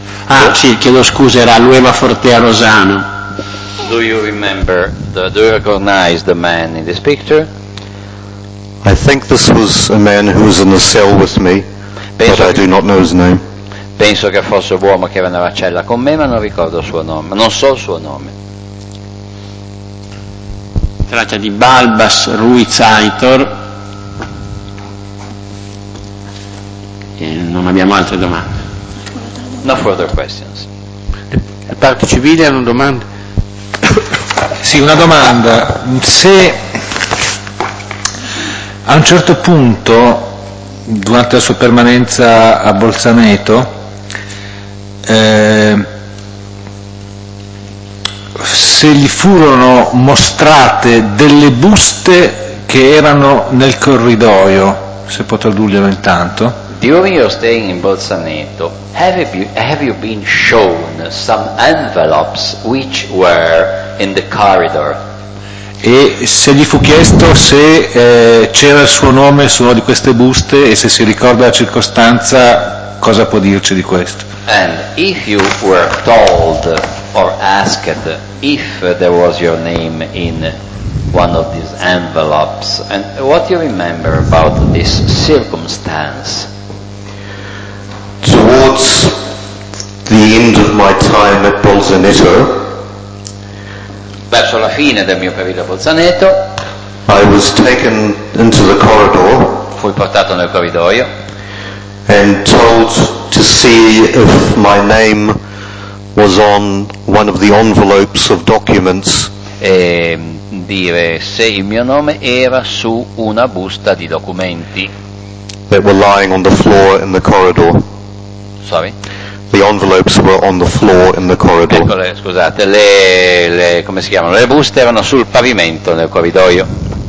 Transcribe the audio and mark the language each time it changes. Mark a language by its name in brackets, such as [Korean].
[Italian] Ah, sì, chiedo scusa, era Lueva Fortea Rosano. [English] Do you recognize the man in this picture? I think this was a man who was in the cell with me, [Italian] penso [English] but I do not know his name. [Italian] Penso che fosse l'uomo che era nella cella con me, ma non ricordo il suo nome. Non so il suo nome. Tratta di Balbas Ruiz Aitor. Non abbiamo altre domande. [English] No further questions. [Italian] Le parti civili hanno domande. Sì, una domanda. Se a un certo punto, durante la sua permanenza a Bolzaneto, se gli furono mostrate delle buste che erano nel corridoio, se può tradurglielo intanto. [English] During your staying in Bolzaneto, have you been shown some envelopes which were in the corridor? [Italian] E se gli fu chiesto se c'era il suo nome su una di queste buste e se si ricorda la circostanza, cosa può dirci di questo? [English] And if you were told or asked if there was your name in one of these envelopes, and what you remember about this circumstance? Towards the end of my time at Bolzaneto, [Italian] verso la fine del mio periodo a Bolzaneto, [English] I was taken into the corridor. [Italian] Fui portato nel corridoio. [English] And told to see if my name was on one of the envelopes of documents. [Italian] E dire se il mio nome era su una busta di documenti. [English] That were lying on the floor in the corridor. Sorry. The envelopes were on the floor in the corridor. [Italian] Eccole, scusate, le come si chiamano? Le buste erano sul pavimento nel corridoio.